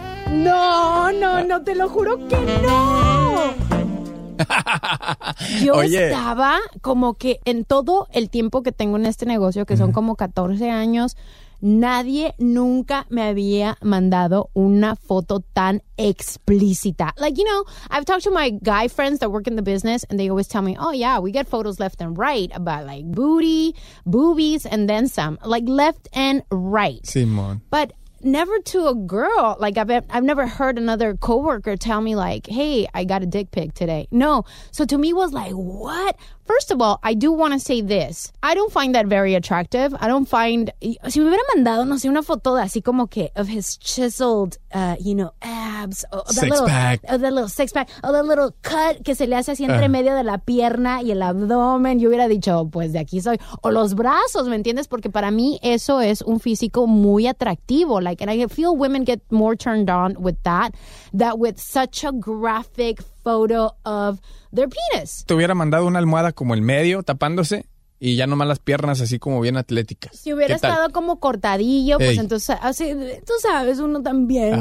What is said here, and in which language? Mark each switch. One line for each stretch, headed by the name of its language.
Spanish: No, te lo juro que no. Yo estaba como que en todo el tiempo que tengo en este negocio, que son como 14 años, nadie nunca me había mandado una foto tan explícita.
English: Like, you know, I've talked to my guy friends that work in the business, and they always tell me, oh, yeah, we get photos left and right about, like, booty, boobies, and then some. Like, left and right.
Spanish: Simón.
English: But never to a girl. Like, I've never heard another coworker tell me, like, hey, I got a dick pic today. No. So to me, it was like, what? First of all, I do want to say this. I don't find that very attractive. I don't find...
Spanish: Si me hubiera mandado, no sé, una foto de así como que
English: of his chiseled, you know, abs. Six-pack. Of that little six-pack. Of that little cut
Spanish: que se le hace así entre medio de la pierna y el abdomen. Yo hubiera dicho, pues de aquí soy. O los brazos, ¿me entiendes? Porque para mí eso es un físico muy atractivo.
English: Like, and I feel women get more turned on with that, that with such a graphic photo of their penis.
Spanish: Te hubiera mandado una almohada como el medio tapándose y ya nomás las piernas así como bien atléticas. Si hubiera estado como cortadillo, pues entonces, así, tú sabes, uno también.